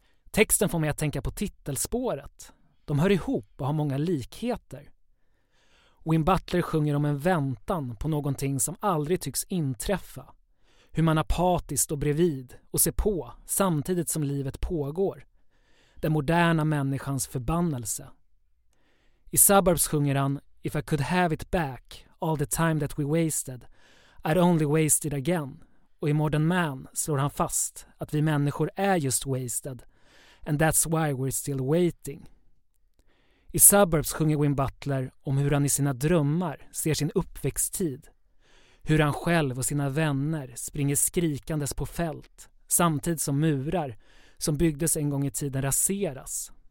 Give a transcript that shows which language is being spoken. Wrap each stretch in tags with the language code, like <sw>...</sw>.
<sv>Texten får mig att tänka på titelspåret. De hör ihop och har många likheter. Win Butler sjunger om en väntan på någonting som aldrig tycks inträffa. Hur man apatiskt står bredvid och ser på samtidigt som livet pågår. Den moderna människans förbannelse. I Suburbs sjunger han</sv> <en>If I could have it back, all the time that we wasted, I'd only wasted again.</en> <sv>Och i Modern Man slår han fast att vi människor är</sv> <en>just wasted and that's why we're still waiting.</en> <sv>I Suburbs sjunger Win Butler om hur han i sina drömmar ser sin uppväxttid. Hur han själv och sina vänner springer skrikandes på fält samtidigt som murar som byggdes en gång i tiden raseras.</sv>